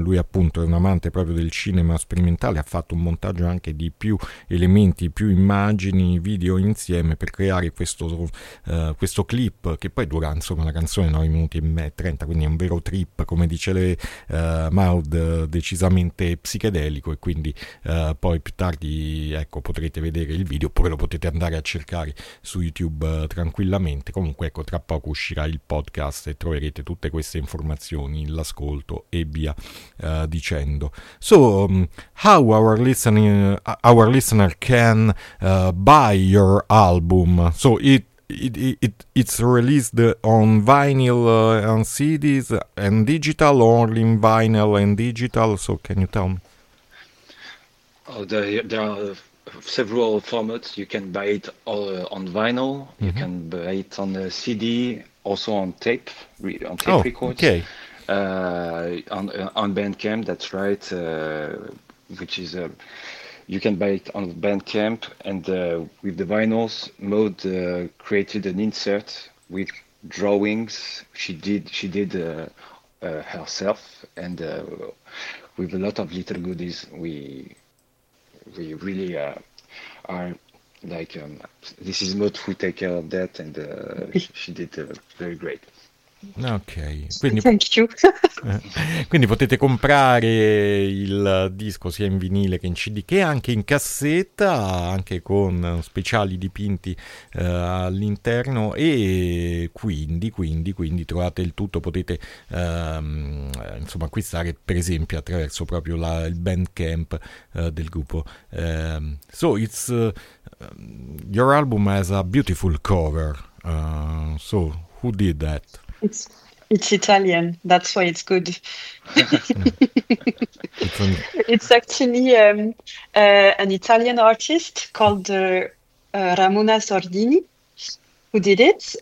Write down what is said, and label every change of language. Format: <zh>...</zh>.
<it>Lui appunto è un amante proprio del cinema sperimentale, ha fatto un montaggio anche di più elementi, più immagini, video insieme per creare questo questo clip, che poi dura insomma la canzone 9 minuti e 30, quindi è un vero trip, come dice Maud, decisamente psichedelico, e quindi poi più tardi, ecco, potrete vedere il video oppure lo potete andare a cercare su YouTube tranquillamente. Comunque, ecco, tra poco uscirà il podcast e troverete tutte queste informazioni, l'ascolto e via dicendo.</it> <en>So how our listener can buy your album? So it's released on vinyl and CDs and digital, only in vinyl and digital. So can you tell me? Oh, there are several formats. You can buy it all on vinyl. Mm-hmm. You can buy it on the CD, also on tape oh, records. Okay. On Bandcamp, that's right. Which is a You can buy it on Bandcamp, and with the vinyls, Maud created an insert with drawings she did herself, and with a lot of little goodies. We really are like this is Maud who take care of that, and she did very great.</en> <it>Ok, quindi,</it> <en>thank you.</en> <it>Quindi potete comprare il disco sia in vinile che in CD che anche in cassetta, anche con speciali dipinti all'interno, e quindi trovate il tutto, potete insomma acquistare per esempio attraverso proprio il Bandcamp del gruppo.</it> <en>So it's your album has a beautiful cover, so who did that? It's Italian, that's why it's good. It's actually an Italian artist called Ramona Sordini who did it.</en>